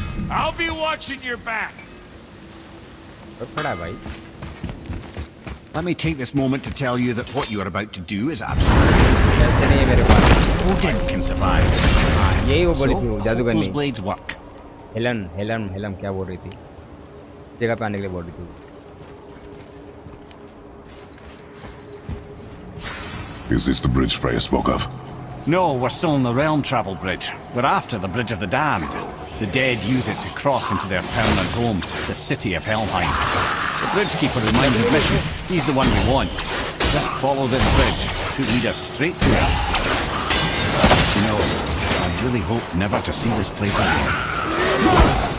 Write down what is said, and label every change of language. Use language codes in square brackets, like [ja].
[en] I'll be watching your back. Let me take this moment to tell you that what you are about to do is absolutely insane. Odin can survive. [hi] यही वो बोली थी जादूगरनी। [en] Those blades work. [hi] Helen, Helen, Helen, क्या बोल रही थी? जगह पे आने के लिए बोल रही थी। [en] Is this the bridge Freya spoke of? No, we're still on the realm travel bridge. We're after the bridge of the damned. The dead use it to cross into their permanent home, the city of Helheim. The bridge keeper is my mission. He's the one we want. Just follow this bridge. It should lead us straight to him. You know, I really hope never to see this place again.